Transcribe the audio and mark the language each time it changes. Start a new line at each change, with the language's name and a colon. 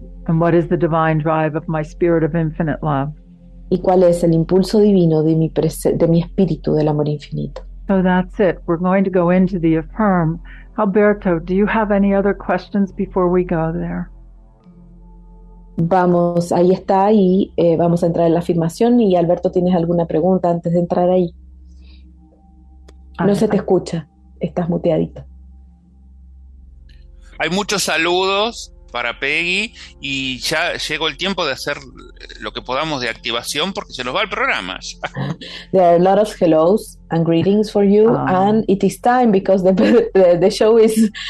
English: And what is the divine drive of my spirit of infinite love?
Spanish: ¿Y cuál es el impulso divino de mi Espíritu, del amor infinito?
English: So that's it. We're going to go into the affirm. Alberto, do you have any other questions before we go there?
Spanish: Vamos, ahí está, y vamos a entrar en la afirmación. Y Alberto, ¿tienes alguna pregunta antes de entrar ahí? No se te escucha, estás muteadito. Hay muchos saludos para Peggy y ya llegó el tiempo de hacer lo que podamos de activación porque se nos va el programa.
English: There are a lot of hellos and greetings for you and it is time because the show is